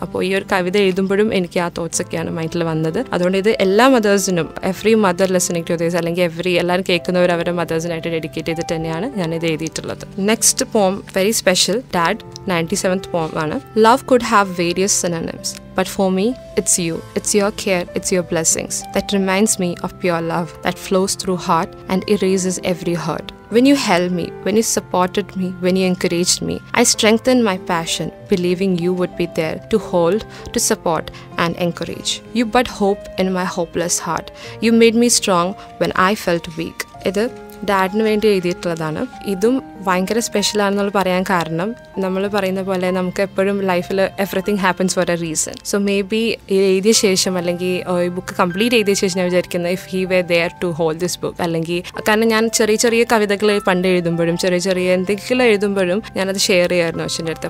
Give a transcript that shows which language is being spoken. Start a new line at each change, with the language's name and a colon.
Malayalam: അപ്പോൾ ഈ ഒരു കവിത എഴുതുമ്പോഴും എനിക്ക് ആ തോട്ട്സൊക്കെയാണ് മൈൻഡിൽ വന്നത്. അതുകൊണ്ട് ഇത് എല്ലാ മദേഴ്സിനും,
English: every mother listening to these,
Malayalam: അല്ലെങ്കിൽ എവറി എല്ലാവരും കേൾക്കുന്നവർ അവരുടെ മദേഴ്സിനായിട്ട് ഡെഡിക്കേറ്റ് ചെയ്തിട്ട് തന്നെയാണ് ഞാൻ ഇത് എഴുതിയിട്ടുള്ളത്. നെക്സ്റ്റ് പോം very special, dad,
English: 97th poem
Malayalam: ആണ്.
English: Love could have various synonyms, but for me it's you, it's your care, it's your blessings that reminds me of pure love that flows through heart and erases every hurt. When you helped me, when you supported me, when you encouraged me, I strengthened my passion, believing you would be there to hold, to support and encourage. You bud hope in my hopeless heart. You made me strong when I felt weak.
Malayalam: ഇത് ഡാഡിന് വേണ്ടി എഴുതിയിട്ടുള്ളതാണ്. ഇതും ഭയങ്കര സ്പെഷ്യലാണെന്നുള്ള പറയാൻ കാരണം, നമ്മൾ പറയുന്ന പോലെ നമുക്ക് എപ്പോഴും ലൈഫിൽ
English: Everything happens for a reason.
Malayalam: So may be എഴുതിയ ശേഷം, അല്ലെങ്കിൽ ഈ ബുക്ക് കംപ്ലീറ്റ് എഴുതിയ ശേഷം, ഞാൻ വിചാരിക്കുന്നത്
English: If he were there to hold this book.
Malayalam: അല്ലെങ്കിൽ കാരണം ഞാൻ ചെറിയ ചെറിയ കവിതകൾ പണ്ട് എഴുതുമ്പോഴും ചെറിയ ചെറിയ എന്തെങ്കിലും എഴുതുമ്പോഴും ഞാനത് ഷെയർ ചെയ്യായിരുന്നു അച്ഛൻ്റെ അടുത്ത്.